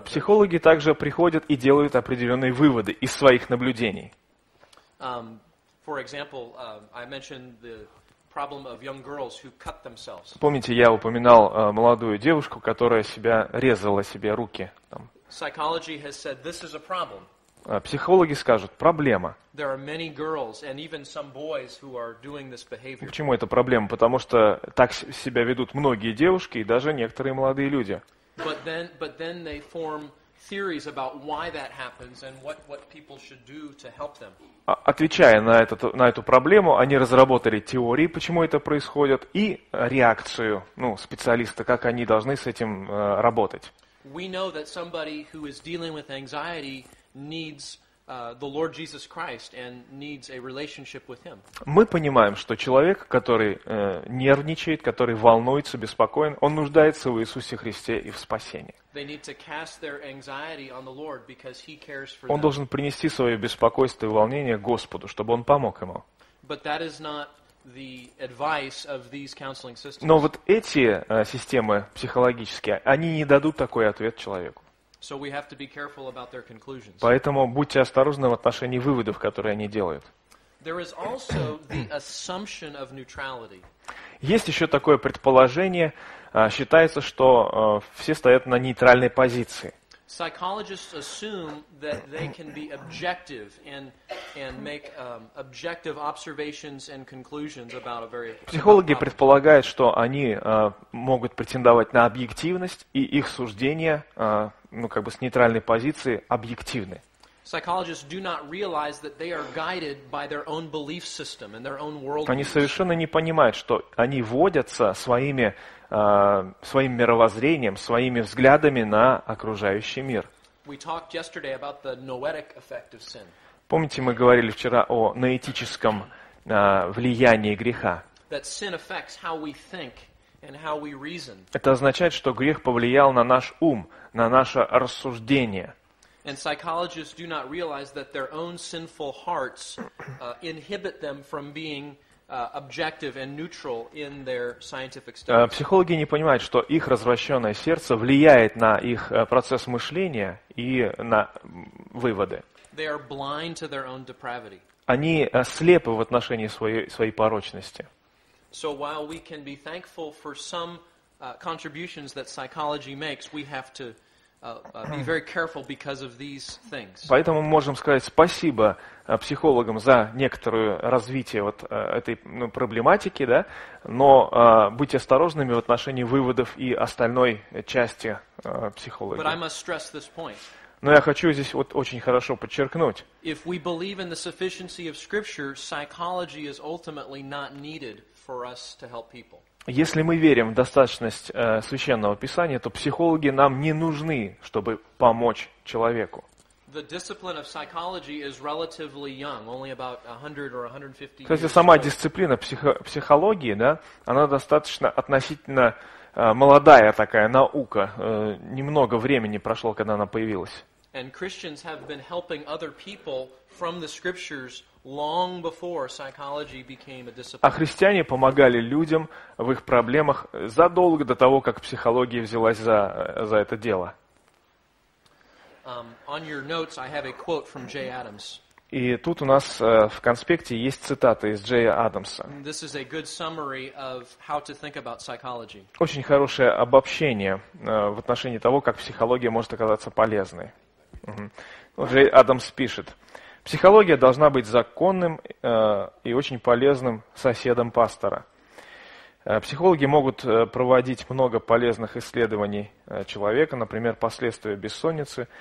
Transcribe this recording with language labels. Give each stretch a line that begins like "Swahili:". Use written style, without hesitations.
Russian: Психологи также приходят и делают определенные выводы из своих наблюдений.
English: For example, I mentioned the problem of young girls who cut themselves.
Russian: Помните, я упоминал молодую девушку, которая себя резала себе руки.
English: Psychology has said this is a problem.
Russian: Психологи скажут, проблема.
English: There are many girls and even some boys who are doing this behavior.
Russian: Почему это проблема? Потому что так себя ведут многие девушки и даже некоторые молодые люди.
English: But then they form theories about why that happens and what people should do to help them.
Russian: Отвечая на эту проблему, они разработали теории, почему это происходит, и реакцию, ну, специалиста, как они должны с этим работать.
English: We know that somebody who is dealing with anxiety needs the Lord Jesus Christ and needs a relationship with him.
Russian: Мы понимаем, что человек, который нервничает, который волнуется, беспокоен, он нуждается в Иисусе Христе и в спасении.
English: They need to cast their anxiety on the Lord because he cares for them.
Russian: Он должен принести свое беспокойство и волнение Господу, чтобы он помог ему.
English: But that is not the advice of these counseling systems.
Russian: Но вот эти системы психологические, они не дадут такой ответ человеку.
English: So we have to be careful about their conclusions.
Russian: Поэтому будьте осторожны в отношении выводов, которые они делают.
English: There is also the assumption of neutrality.
Russian: Есть еще такое предположение, считается, что все стоят на нейтральной позиции.
English: Psychologists assume that they can be objective and make objective observations and conclusions about a very.
Russian: Психологи предполагают, что они могут претендовать на объективность и их суждения, ну как бы с нейтральной позиции объективны.
English: Psychologists do not realize that they are guided by their own belief system and their own worldview.
Russian: Они совершенно не понимают, что они водятся своим мировоззрением, своими взглядами на окружающий мир.
English: We talked yesterday about the noetic effect of sin.
Russian: Помните, мы говорили вчера о ноетическом влиянии греха?
English: That sin affects how we think and how we reason.
Russian: Это означает, что грех повлиял на наш ум, на наше рассуждение.
English: And psychologists do not realize that their own sinful hearts inhibit them from being objective and neutral in their scientific studies.
Russian: Психологи не понимают, что их развращенное сердце влияет на их процесс мышления и на выводы.
English: They are blind to their own depravity.
Russian: Они слепы в отношении своей порочности.
English: So while we can be thankful for some contributions that psychology makes, we have to be very careful because of these things.
Russian: Поэтому мы можем сказать спасибо психологам за некоторое развитие вот этой проблематики, да, но будьте осторожными в отношении выводов и остальной части психологии.
English: But I must stress this point.
Russian: Но я хочу здесь вот очень хорошо подчеркнуть.
English: If we believe in the sufficiency of Scripture, psychology is ultimately not needed for us to help people.
Russian: Если мы верим в достаточность Священного Писания, то психологи нам не нужны, чтобы помочь человеку. Кстати, сама дисциплина психологии, да, она достаточно относительно молодая такая наука. Немного времени прошло, когда она появилась.
English: And Christians have been helping other people from the scriptures. Long before psychology became a discipline.
Russian: А христиане помогали людям в их проблемах задолго до того, как психология взялась за это дело.
English: On your notes I have a quote from Jay Adams.
Russian: И тут у нас в конспекте есть цитата из Джея Адамса.
English: This is a good summary of how to think about psychology.
Russian: Очень хорошее обобщение в отношении того, как психология может оказаться полезной. Джей Адамс пишет. Психология должна быть законным и очень полезным соседом пастора. Психологи могут проводить много полезных исследований человека, например, последствия бессонницы.